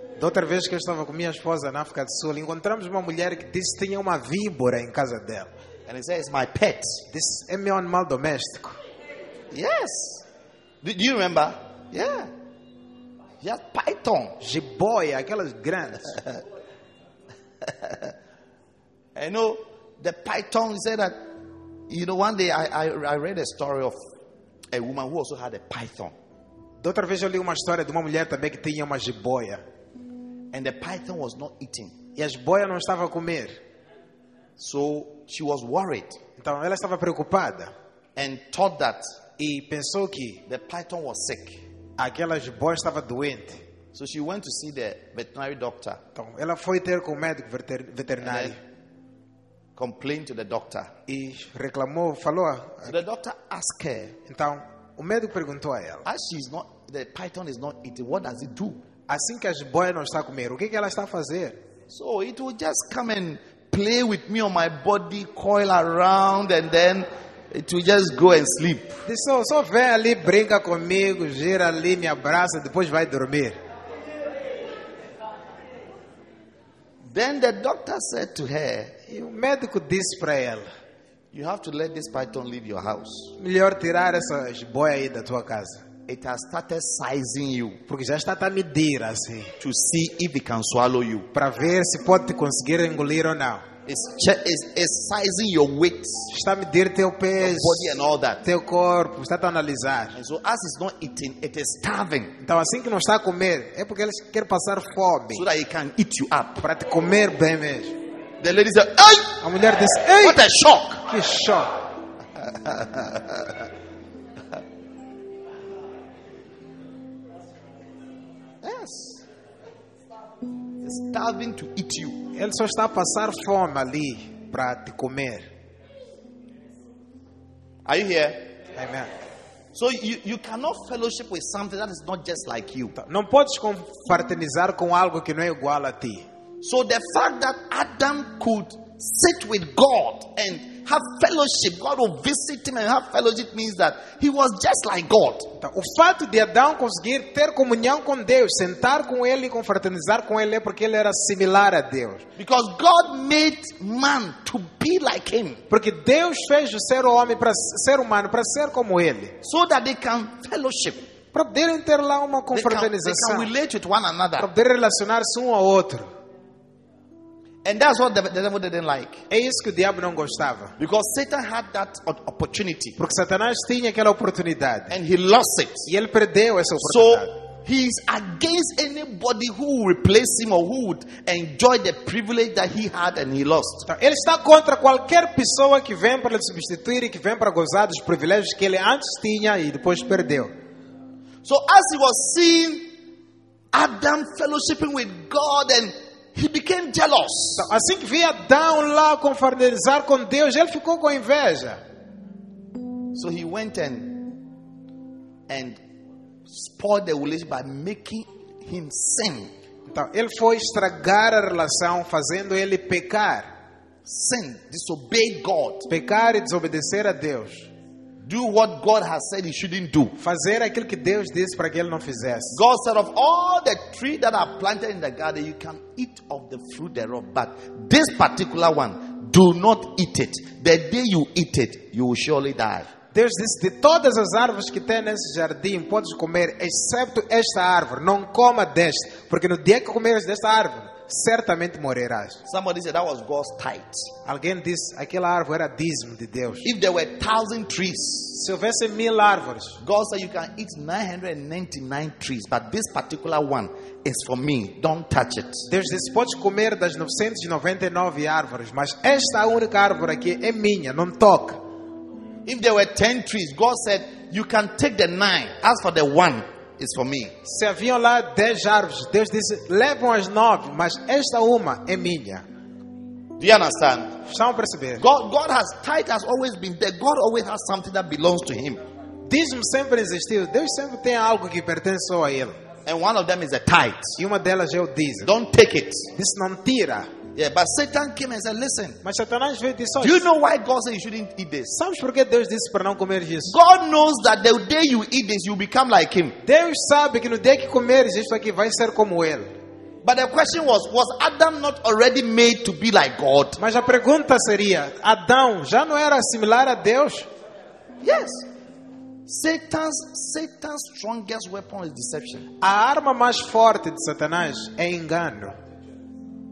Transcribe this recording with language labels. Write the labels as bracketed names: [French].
[Portuguese] Da outra vez que eu estava com minha esposa na África do Sul, encontramos uma mulher que disse que tinha uma víbora em casa dela. [English] And he said, it's my pet. This [Portuguese] é meu animal doméstico. [English] Yes. Do you remember? Yeah. Yes, python. [Portuguese] Jiboia, aquelas grandes. [English] You know, the python said that, you know, one day I read a story of a woman who also had a python. [Portuguese] Da outra vez eu li uma história de uma mulher também que tinha uma jiboia. [English] And the python was not eating. [Portuguese] E a jiboia não estava a comer. [English] So she was worried. [Portuguese] Então ela estava preocupada. [English] And thought that. [Portuguese] E pensou que [English] the python was sick. [Portuguese] Aquela jiboia estava doente. [English] So she went to see the veterinary doctor. [Portuguese] Então ela foi ter com o médico veterinário. [English] Complained to the doctor. [Portuguese] E reclamou, falou. [English] So the doctor asked her. [Portuguese] Então o médico perguntou a ela. [English] As she is not, the python is not eating. What does it do? [Portuguese] Assim que a jiboia não está a comer, o que que ela está a fazer? [English] So it will just come and play with me on my body, coil around, and then it will just go and sleep. [Portuguese] Só vem ali, brinca comigo, gira ali, me abraça, depois vai dormir. [English] Then the doctor said to her, [Portuguese] e o médico disse para ela, [English] you have to let this python leave your house. [Portuguese] Melhor tirar essa jiboia aí da tua casa. [English] It has started sizing you. [Portuguese] Porque já está a medir assim. [English] To see if it can swallow you. [Portuguese] Para ver se pode conseguir engolir ou não. [English] is sizing your weight, [Portuguese] está a medir teu peso, [English] your body and all that, [Portuguese] teu corpo, está a analisar. [English] And so as it's not eating, it is starving. [Portuguese] Então assim que não está a comer, é porque ele quer passar fome. [English] So that he can eat you up. [Portuguese] Para te comer bem mesmo. [English] The lady said, "Hey!" [Portuguese] A mulher disse, "Hey!" [English] What a shock! [Portuguese] Que shock! [English] Yes. Starving to eat you. [Portuguese] Ele só está a passar fome ali para te comer. [English] Are you here? Amen. So you cannot fellowship with something that is not just like you. [Portuguese] Não podes confraternizar com algo que não é igual a ti. [English] So the fact that Adam could sit with God and have fellowship, God will visit him and have fellowship, means that he was just like God. [Portuguese] O fato de Adão conseguir ter comunhão com Deus, sentar com ele e confraternizar com ele, é porque ele era similar a Deus. [English] Because God made man to be like him. [Portuguese] Porque Deus fez o ser homem para ser humano, para ser como ele. [English] So that they can fellowship. [Portuguese] Para poderem ter lá uma confraternização. [English] They can relate with one another. [Portuguese] Para poder relacionar-se um ao outro. [English] And that's what the devil didn't like. [Portuguese] É isso que o diabo não gostava. [English] Because Satan had that opportunity. [Portuguese] Porque Satanás tinha aquela oportunidade. [English] And he lost it. [Portuguese] E ele perdeu essa oportunidade. [English] So he's against anybody who will replace him or who would enjoy the privilege that he had and he lost. [Portuguese] Então, ele está contra qualquer pessoa que vem para lhe substituir e que vem para gozar dos privilégios que ele antes tinha e depois perdeu. [English] So as he was seeing Adam fellowshipping with God and he became jealous. [Portuguese] Então, assim que via Adão lá confraternizar com Deus, ele ficou com inveja. [English] So he went and spoiled the relationship by making him sin. [Portuguese] Então, ele foi estragar a relação fazendo ele pecar. [English] Sin, disobey God. [Portuguese] Pecar e desobedecer a Deus. [English] Do what God has said he shouldn't do. [Portuguese] Fazer aquilo que Deus disse para que ele não fizesse. [English] God said, of all the trees that are planted in the garden, you can eat of the fruit thereof. But this particular one, do not eat it. The day you eat it, you will surely die. [Portuguese] Deus disse, de todas as árvores que tem nesse jardim, podes comer, exceto esta árvore. Não coma deste, porque no dia que comeres desta árvore, certamente morrerás. [English] Somebody said that was God's tithe. [Portuguese] Alguém disse aquela árvore era dízimo de Deus. [English] If there were 1,000 trees, [Portuguese] se houvesse 1,000 árvores, [English] God said you can eat 999 trees, but this particular one is for me. Don't touch it. [Portuguese] Deus disse, podes comer das 999 árvores, mas esta única árvore aqui é minha. Não toque. [English] If there were 10 trees, God said you can take the 9. As for the one, is for me. [Portuguese] Se haviam lá 10 árvores, Deus disse, levam as 9, mas esta uma é minha. [English] Do you understand? [Portuguese] Estão a perceber? [English] God has tithe has always been there. God always has something that belongs to him. [Portuguese] Dízimo sempre existiu. Deus sempre tem algo que pertence só a ele. [English] And one of them is a tithe. [Portuguese] E uma delas é o dízimo. [English] Don't take it. [Portuguese] Diz, não tira. [English] Yeah, but Satan came and said, listen. [Portuguese] Mas Satanás veio e disse, [English] do you know why God said you shouldn't eat this? [Portuguese] Sabes por que Deus disse para não comer isso? [English] God knows that the day you eat this, you become like him. [Portuguese] Deus sabe que no dia que comeres isso aqui vai ser como ele. [English] But the question was Adam not already made to be like God? [Portuguese] Mas a pergunta seria, Adão já não era similar a Deus? [English] Yes. Satan's strongest weapon is deception. [Portuguese] A arma mais forte de Satanás é engano.